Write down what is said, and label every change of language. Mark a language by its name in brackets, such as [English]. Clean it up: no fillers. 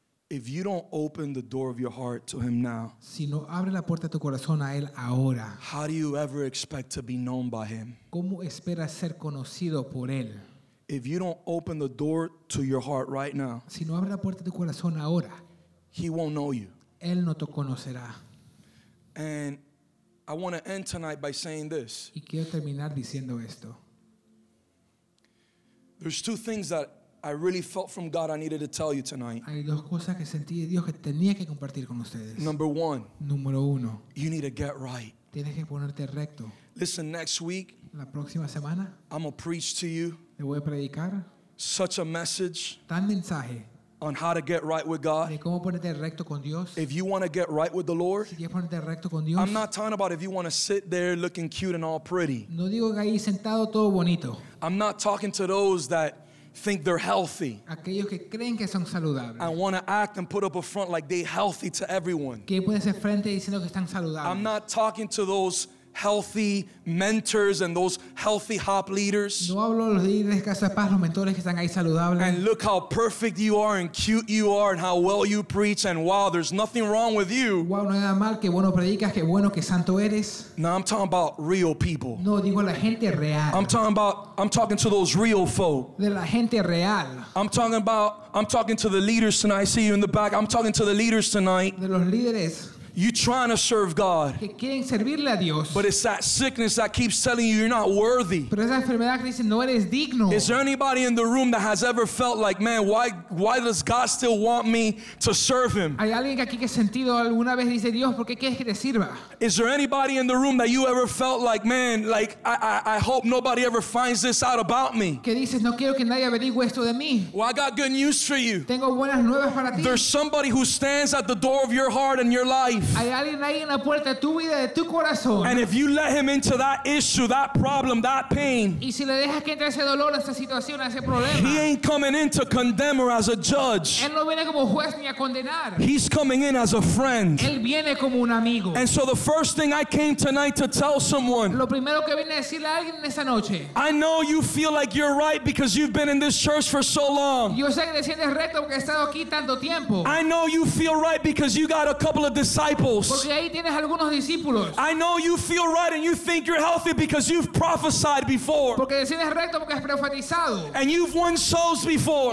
[English] If you don't open the door of your heart to him now, [Spanish] si no abre la puerta de tu corazón a él ahora, [English] how do you ever expect to be known by him? [Spanish] ¿Cómo esperas ser conocido por él? [English] If you don't open the door to your heart right now, [Spanish] si no abre la puerta de tu corazón ahora, [English] he won't know you. [Spanish] Él no te conocerá. [English] And I want to end tonight by saying this. [Spanish] Y quiero terminar diciendo esto. [English] There's two things that I really felt from God I needed to tell you tonight. [Spanish] Hay dos cosas que sentí de Dios que tenía que compartir con ustedes. [English] Number one. [Spanish] Número uno. [English] You need to get right. [Spanish] Tienes que ponerte recto. [English] Listen, next week, [Spanish] la próxima semana, [English] I'm going to preach to you. [Spanish] Le voy a predicar [English] such a message, [Spanish] tan mensaje, [English] on how to get right with God. [Spanish] De cómo ponerte recto con Dios. [English] If you want to get right with the Lord, [Spanish] si quieres ponerte recto con Dios, [English] I'm not talking about if you want to sit there looking cute and all pretty. [Spanish] No digo que ahí sentado todo bonito. [English] I'm not talking to those that think they're healthy. [Spanish] Aquellos que creen que son saludables. [English] I want to act and put up a front like they're healthy to everyone. [Spanish] Que pueden ser frente diciendo que están saludables. [English] I'm not talking to those healthy mentors and those healthy hop leaders. [Spanish] No hablo los líderes de Casa Paz, los mentores que están ahí saludables. [English] And look how perfect you are and cute you are and how well you preach and wow, there's nothing wrong with you. [Spanish] Wow, no hay nada mal, qué bueno predicas, qué bueno, qué santo eres. [English] No, I'm talking about real people. [Spanish] No, digo la gente real. [English] I'm talking to those real folk. [Spanish] De la gente real. [English] I'm talking to the leaders tonight. I see you in the back. I'm talking to the leaders tonight. [Spanish] De los líderes. [English] You're trying to serve God. [Spanish] Que quieren servirle a Dios. [English] But it's that sickness that keeps telling you you're not worthy. [Spanish] Pero esa enfermedad que dice, no eres digno. [English] Is there anybody in the room that has ever felt like, man, why does God still want me to serve him? [Spanish] ¿Hay alguien aquí que ha sentido alguna vez dice, Dios, por qué quieres que te sirva? [English] Is there anybody in the room that you ever felt like, man, like I hope nobody ever finds this out about me? [Spanish] Que dices, no quiero que nadie averigüe esto de mí. [English] Well, I got good news for you. [Spanish] Tengo buenas nuevas para ti. [English] There's somebody who stands at the door of your heart and your life. [Spanish] Hay alguien ahí en la puerta de tu vida, de tu corazón. [English] And if you let him into that issue, that problem, that pain, [Spanish] y si le dejas que entre ese dolor, esa situación, ese problema, [English] he ain't coming in to condemn her as a judge. [Spanish] Él no viene como juez ni a condenar. [English] He's coming in as a friend. [Spanish] Él viene como un amigo. [English] And so the first thing I came tonight to tell someone, [Spanish] lo primero que vine a decirle a alguien en esa noche, [English] I know you feel like you're right because you've been in this church for so long. [Spanish] Yo sé que te sientes recto porque he estado aquí tanto tiempo. [English] I know you feel right because you got a couple of disciples. I know you feel right and you think you're healthy because you've prophesied before. And you've won souls before.